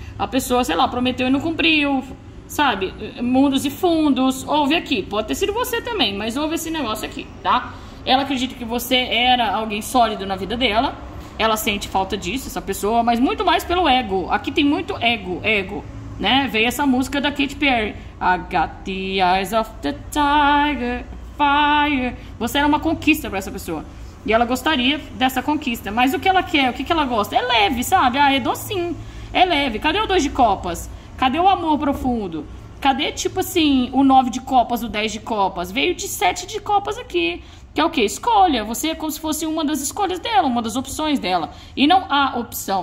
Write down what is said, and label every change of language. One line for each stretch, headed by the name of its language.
Portuguese: A pessoa, sei lá, prometeu e não cumpriu, sabe? Mundos e fundos. Houve aqui, pode ter sido você também, mas houve esse negócio aqui, tá? Ela acredita que você era alguém sólido na vida dela. Ela sente falta disso, essa pessoa, mas muito mais pelo ego. Aqui tem muito ego, ego, né? Veio essa música da Katy Perry.
English: I got the eyes of the tiger, fire.
Portuguese: Você era uma conquista para essa pessoa. E ela gostaria dessa conquista. Mas o que ela quer? O que que ela gosta? É leve, sabe? Ah, é docinho. É leve. Cadê o dois de copas? Cadê o amor profundo? Cadê, tipo assim, o nove de copas, o dez de copas? Veio de sete de copas aqui. Que é o quê? Escolha. Você é como se fosse uma das escolhas dela, uma das opções dela. E não há opção.